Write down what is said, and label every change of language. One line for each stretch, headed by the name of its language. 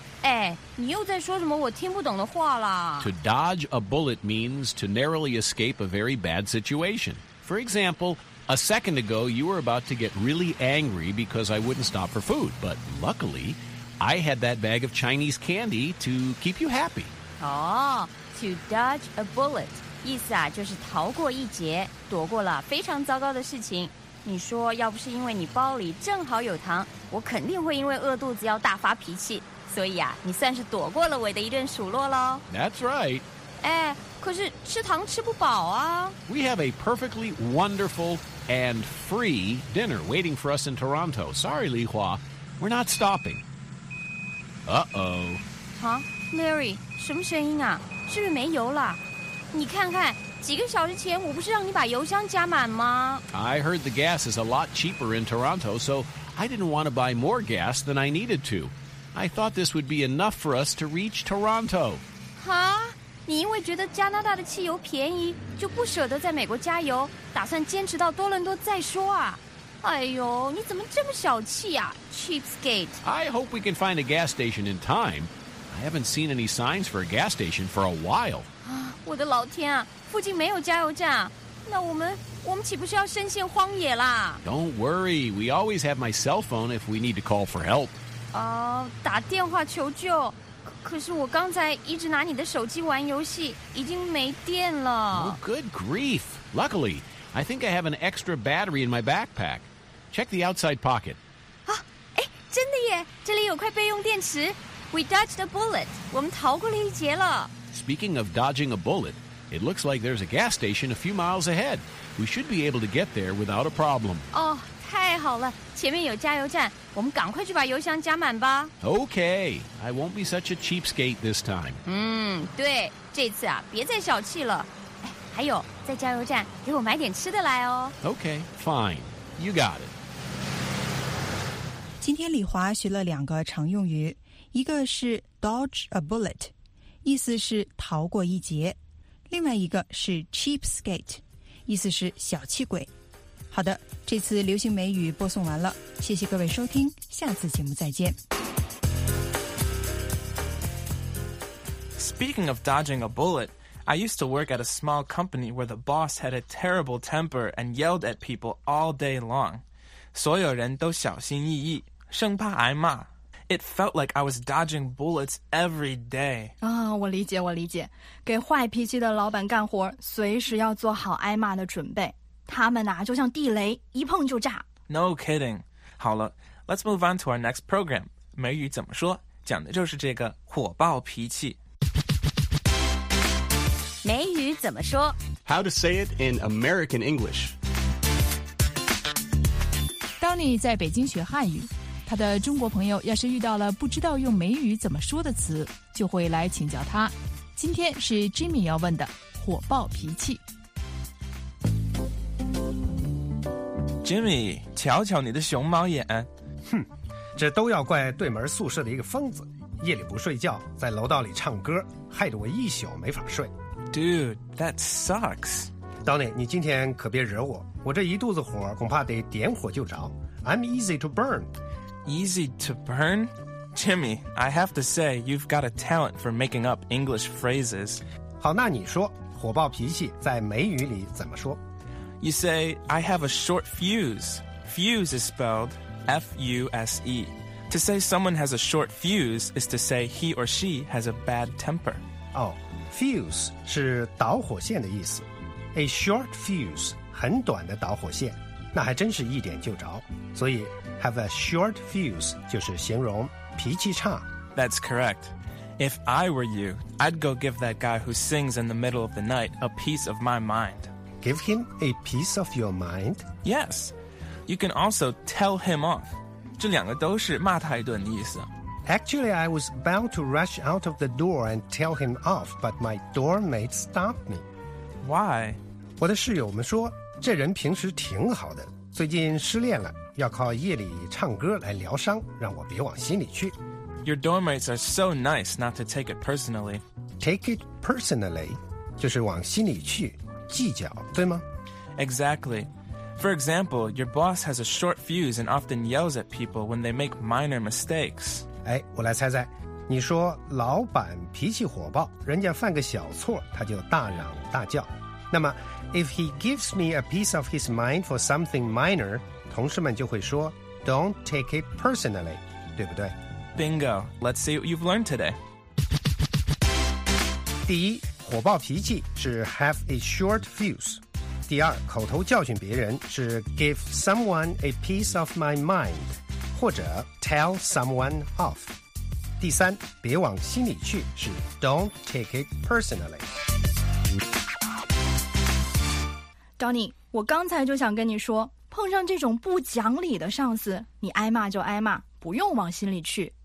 Chinese: 哎，你又在说什么我听不懂的话啦。
English: To dodge a bullet means to narrowly escape a very bad situation. For example, a second ago, you were about to get really angry because I wouldn't stop for food. But luckily, I had that bag of Chinese candy to keep you happy. Oh, to dodge a bullet.
Chinese: 意思啊，就是逃过一劫，躲过了非常糟糕的事情。你说要不是因为你包里正好有糖，我肯定会因为饿肚子要大发脾气。所以啊，你算是躲过了我的一顿数落喽。
English: That's right.
Chinese: 哎，可是吃糖吃不饱啊。
English: We have a perfectly wonderful and free dinner waiting for us in Toronto. Sorry, Li Hua, we're not stopping. Uh-oh.
Chinese: Huh, Mary, 什么声音啊？是不是没油了？你看看。几个小时前我不是让你把油箱加满吗
English: I heard the gas is a lot cheaper in Toronto, so I didn't want to buy more gas than I needed to. I thought this would be enough for us to reach Toronto. Huh?
Chinese: 你因为觉得加拿大的汽油便宜就不舍得在美国加油打算坚持到多伦多再说啊哎呦你怎么这么小气啊 Cheapskate.
English: I hope we can find a gas station in time. I haven't seen any signs for a gas station for a while.
Chinese: 我的老天啊附近没有加油站，那我们岂不是要深陷荒野啦
English: ？Don't worry, we always have my cell phone if we need to call for help.
Chinese: 打电话求救。可是我刚才一直拿你的手机玩游戏，已经没电了。
English: Oh, good grief! Luckily, I think I have an extra battery in my backpack. Check the outside pocket.
Chinese: 哎，真的耶，这里有块备用电池。
English: We dodged a bullet.
Chinese: 我们逃过了一劫了。
English: Speaking of dodging a bullet. It looks like there's a gas station a few miles ahead. We should be able to get there without a problem.
Chinese: Oh, 太好了，前面有加油站，我们赶快去把油箱加满吧。
English: Okay, I won't be such a cheapskate this time.
Chinese: 对，这次啊，别再小气了。还有，在加油站给我买点吃的来哦。
English: Okay, fine. You got it.
Chinese: 今天李华学了两个常用语，一个是
English: dodge a bullet,
Chinese: 意思是逃过一劫。另外一个是
English: cheapskate,
Chinese: 意思是小气鬼。好的，这次流行美语播送完了，谢谢各位收听，下次节目再见。
English: Speaking of dodging a bullet, I used to work at a small company where the boss had a terrible temper and yelled at people all day long.
Chinese: 所有人都小心翼翼，生怕挨骂。
English: It felt like I was dodging bullets every day.
Chinese: 我理解，我理解。给坏脾气的老板干活，随时要做好挨骂的准备。他们啊，就像地雷，一碰就炸。
English: No kidding.
Chinese: 好了
English: ，Let's move on to our next program.
Chinese: 美语怎么说？讲的就是这个火爆脾气。美语怎么说
English: ？How to say it in American English?
Chinese: 当你在北京学汉语。他的中国朋友要是遇到了不知道用美语怎么说的词，就会来请教他。今天是 Jimmy 要问的火爆脾气。 Jimmy， 瞧瞧你的熊猫眼，哼，这都要怪对门宿舍的一个疯子，夜里不睡觉，在楼道里唱歌，害得我一宿没法睡。
English: Dude， that sucks。
Chinese: Donnie， 你今天可别惹我，我这一肚子火恐怕得点火就着。
English: I'm easy to burn。 Easy to burn? Jimmy, I have to say, you've got a talent for making up English phrases.
Chinese: 好，那你说，火爆脾气在美语里怎么说？
English: You say, I have a short fuse. Fuse is spelled F-U-S-E. To say someone has a short fuse is to say he or she has a bad temper.
Chinese: Oh, fuse 是导火线的意思。
English: A short fuse,
Chinese: 很短的导火线。那还真是一点就着，所以
English: have a short fuse
Chinese: 就是形容脾气差，
English: That's correct. If I were you, I'd go give that guy who sings in the middle of the night a piece of my mind. Give him a piece of your mind? Yes. You can also tell him off.
Chinese: 这两个都是骂他一顿的意思。
English: Actually, I was about to rush out of the door and tell him off, but my doormate stopped me. Why?
Chinese: 我的室友们说，这人平时挺好的，最近失恋了，要靠夜里唱歌来疗伤，让我别往心里去。
English: Your doormates are so nice not to take it personally. Take it personally,
Chinese: 就是往心里去，计较，对吗？
English: Exactly. For example, your boss has a short fuse and often yells at people when they make minor mistakes.
Chinese: 哎，我来猜猜，你说老板脾气火爆，人家犯个小错，他就大嚷大叫。那么
English: if he gives me a piece of his mind for something minor,
Chinese: 同事们就会说
English: don't take it personally,
Chinese: 对不对？
English: Bingo. Let's see what you've learned today.
Chinese: 第一，火爆脾气是
English: have a short fuse.
Chinese: 第二，口头教训别人是
English: give someone a piece of my mind,
Chinese: 或者
English: tell someone off.
Chinese: 第三，别往心里去是
English: don't take it personally.
Chinese: Donnie, 我刚才就想跟你说，碰上这种不讲理的上司，你挨骂就挨骂，不用往心里去。